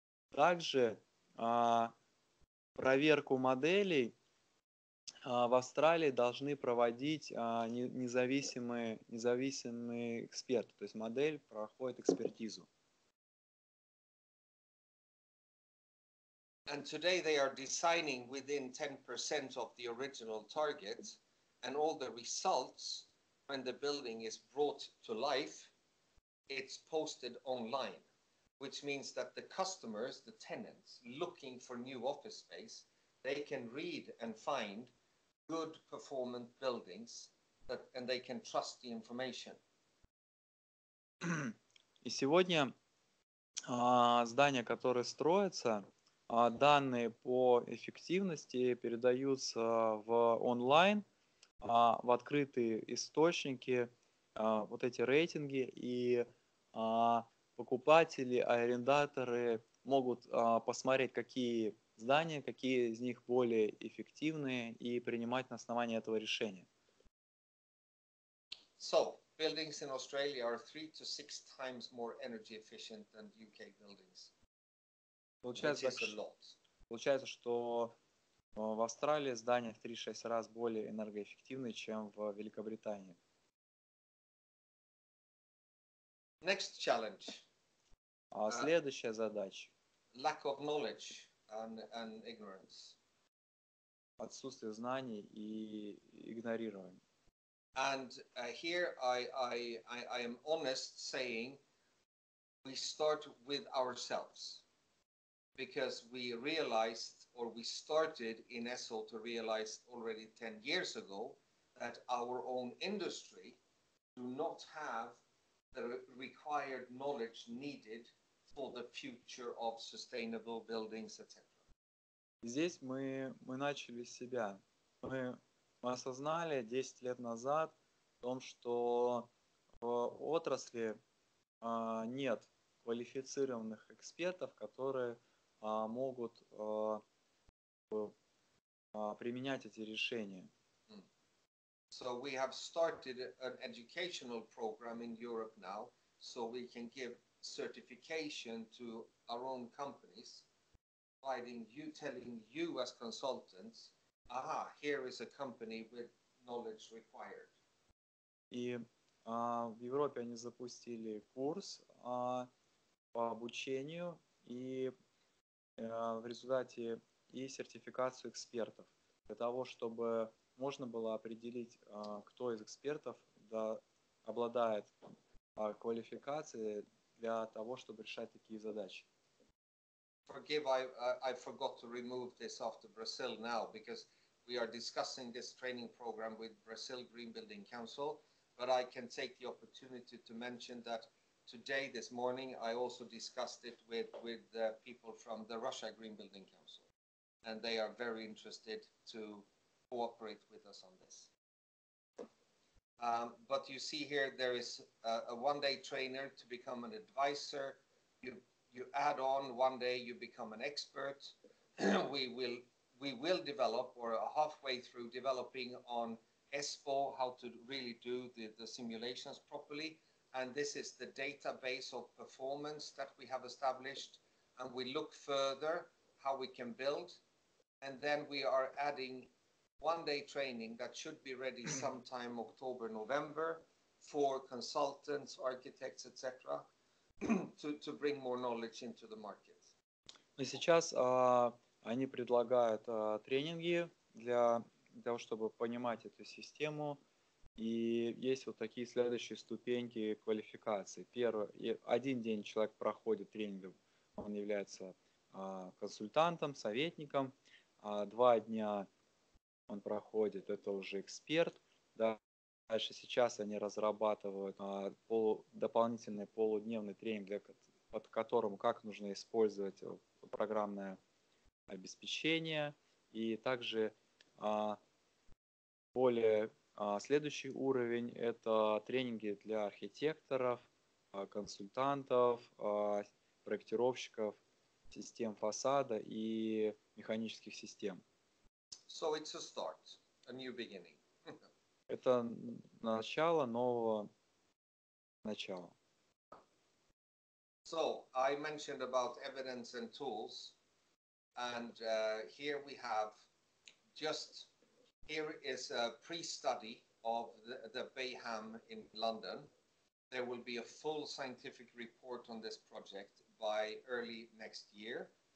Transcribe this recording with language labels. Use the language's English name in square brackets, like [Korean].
[Russian] Также проверку моделей в Австралии должны проводить независимые эксперты. То есть модель проходит экспертизу. [English] And today they are designing within 10% of the original target, and all the results, when the building is brought to life, it's posted online, which means that the customers, the tenants, looking for new office space, they can read and find good performance buildings that, and they can trust the information. [Russian] И сегодня здания, которые строятся, данные по эффективности передаются в онлайн, в открытые источники, вот эти рейтинги, и покупатели, арендаторы могут посмотреть, какие здания, какие из них более эффективные, и принимать на основании этого решения. [English] So, buildings in Australia are 3 to 6 times more energy efficient than UK buildings. [Russian] Получается, что в Австралии здания в 3-6 раз более энергоэффективны, чем в Великобритании. [English] Next challenge. [Russian] Следующая задача. [English] Lack of knowledge. And ignorance. [Russian] Отсутствие знаний и игнорирование. [English] And here I am honest saying we start with ourselves because we realized or we started in SO to realize already 10 years ago that our own industry do not have the required knowledge needed for the future of sustainable buildings, etc. [Russian] Здесь мы начали с себя. Мы осознали 10 лет назад о том, что в отрасли нет квалифицированных экспертов, которые могут применять эти решения. [English] So we have started an educational program in Europe now, so we can give certification to our own companies. You telling you as consultants, aha, here is a company with knowledge required. [Russian] И в Европе они запустили курс по обучению и в результате и сертификацию экспертов для того, чтобы можно было определить, кто из экспертов обладает квалификацией для того, чтобы решать такие задачи. [English] Forgive, I forgot to remove this after Brazil now because we are discussing this training program with Brazil Green Building Council, but I can take the opportunity to mention that today, this morning, I also discussed it with the people from the Russia Green Building Council, and they are very interested to cooperate with us on this. But you see here, there is a one-day trainer to become an advisor. You add on one day, you become an expert. we will develop, or halfway through developing on ESPO, how to really do the simulations properly. And this is the database of performance that we have established. And we look further how we can build. And then we are adding one-day training that should be ready sometime October, November for consultants, architects, etc. to bring more knowledge into the market. [Russian] И сейчас они предлагают тренинги для того, чтобы понимать эту систему. И есть вот такие следующие ступеньки квалификации. Первый, один день человек проходит тренинг, он является консультантом, советником. Два дня он проходит, это уже эксперт. Да. Дальше сейчас они разрабатывают дополнительный полудневный тренинг, под которым как нужно использовать программное обеспечение. И также более следующий уровень – это тренинги для архитекторов, консультантов, проектировщиков систем фасада и механических систем. [English] So it's a start, a new beginning. [Russian] Это начало нового начала. [English] So, I mentioned about evidence and tools, and here we have just, here is a pre-study of the Bayham in London. There will be a full scientific report on this project by early next year.